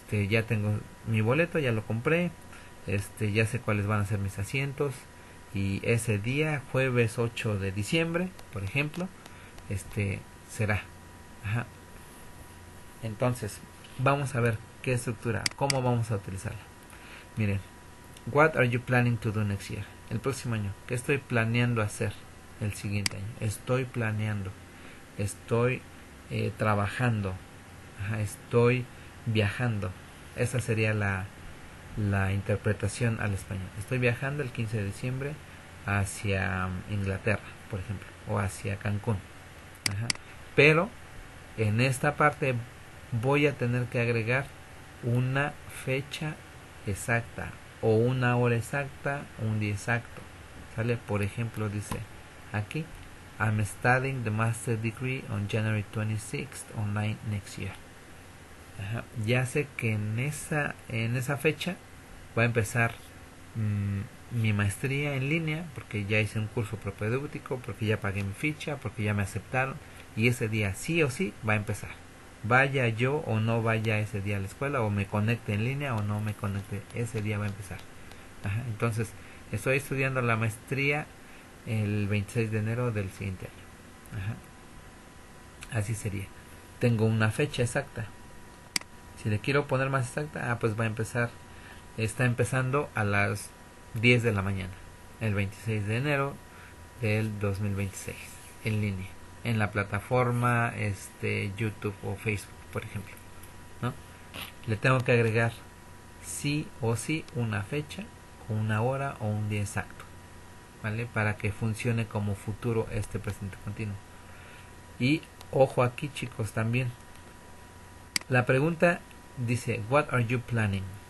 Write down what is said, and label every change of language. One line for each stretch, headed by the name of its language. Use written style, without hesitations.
Spanish: Ya tengo mi boleto, ya lo compré. Ya sé cuáles van a ser mis asientos y ese día, jueves 8 de diciembre, por ejemplo, será. Ajá. Entonces, vamos a ver qué estructura, cómo vamos a utilizarla. Miren,
English: what are you planning to do next year?
Spanish: El próximo año, ¿qué estoy planeando hacer el siguiente año? Estoy planeando, estoy trabajando, ajá, estoy viajando. Esa sería la interpretación al español. Estoy viajando el 15 de diciembre hacia Inglaterra, por ejemplo, o hacia Cancún. Ajá. Pero en esta parte voy a tener que agregar una fecha exacta o una hora exacta, un día exacto. ¿Sale? Por ejemplo, dice aquí,
English: I'm studying the master degree on January 26th online next year.
Spanish: Ajá. Ya sé que en esa fecha voy a empezar mi maestría en línea porque ya hice un curso propedéutico, porque ya pagué mi ficha, porque ya me aceptaron y ese día sí o sí va a empezar. Vaya yo o no vaya ese día a la escuela o me conecte en línea o no me conecte, ese día va a empezar. Ajá. Entonces, estoy estudiando la maestría el 26 de enero del siguiente año. Ajá. Así sería. Tengo una fecha exacta. Si le quiero poner más exacta, pues va a empezar. Está empezando a las 10 de la mañana, el 26 de enero del 2026, en línea, en la plataforma YouTube o Facebook, por ejemplo, ¿no? Le tengo que agregar sí o sí una fecha, una hora o un día exacto, ¿vale? Para que funcione como futuro este presente continuo. Y ojo aquí, chicos, también. La pregunta dice,
English: what are you planning?